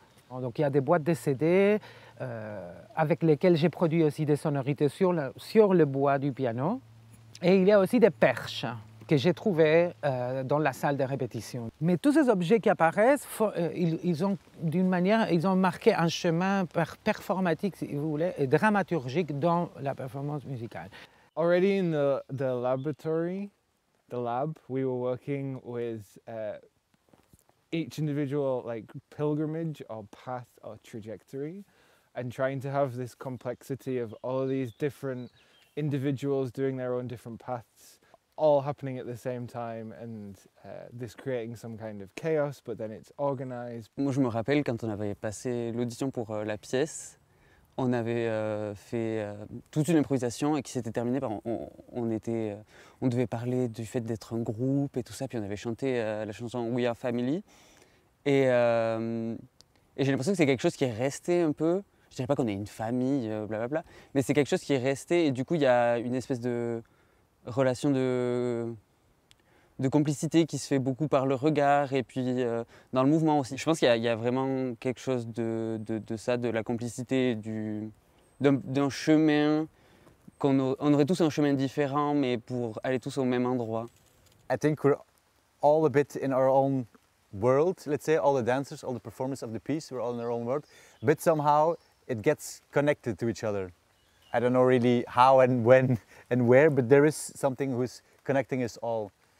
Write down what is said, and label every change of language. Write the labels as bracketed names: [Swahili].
[French] Donc il y a des boîtes de CD avec lesquelles j'ai produit aussi des sonorités sur le bois du piano. Et il y a aussi des perches que j'ai trouvées dans la salle de répétition. Mais tous ces objets qui apparaissent, ils ont marqué un chemin performatique, si vous voulez, et dramaturgique dans la performance musicale. [English] Already in the laboratory, the lab, we were working with each individual like pilgrimage or path or trajectory, and trying to have this complexity of all of these different individuals doing their own different paths, all happening at the same time, and this creating some kind of chaos, but then it's organized. [French] Moi, je me rappelle quand on avait passé l'audition pour la pièce, on avait fait toute une improvisation et qui s'était terminée par on devait parler du fait d'être un groupe et tout ça, puis on avait chanté la chanson We Are Family. Et j'ai l'impression que c'est quelque chose qui est resté un peu. Je dirais pas qu'on est une famille, blablabla, mais c'est quelque chose qui est resté, et du coup il y a une espèce de relation de complicité qui se fait beaucoup par le regard et puis dans le mouvement aussi. Je pense qu'il y a vraiment quelque chose de ça, de la complicité, d'un chemin, on aurait tous un chemin différent, mais pour aller tous au même endroit. [English] I think we're all a bit in our own world, let's say, all the dancers, all the performers of the piece, we're all in our own world, but somehow it gets connected to each other. I don't know really how and when and where, but there is something who's connecting us all.